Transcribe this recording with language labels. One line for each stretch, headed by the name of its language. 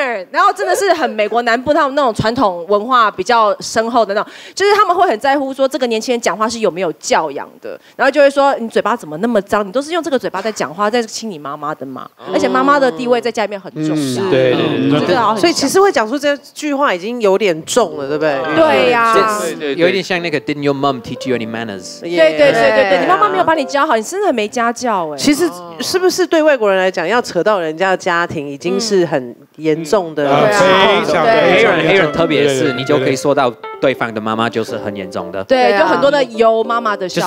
Chinese: 然后真的是很美国南部他们那种传统文化比较深厚的那种就是他们会很在乎说这个年轻人讲话是有没有教养的然后就会说你嘴巴怎么那么脏你都是用这个嘴巴在讲话在亲你妈妈的嘛、嗯、而且妈妈的地位在家里面很重、嗯、对所以其实会讲出这句话已经有点重了对不对对呀、啊、
English: 有点像那个 Didn't your mom teach you any manners
Chinese: 对你妈妈没有把你教好你真的很没家教其实是不是对外国人来讲要扯到人家的家庭已经是很严重的、嗯、对、啊、黑人特别是你就可以说到对方的妈妈就是很严重的对就很多的有妈妈的笑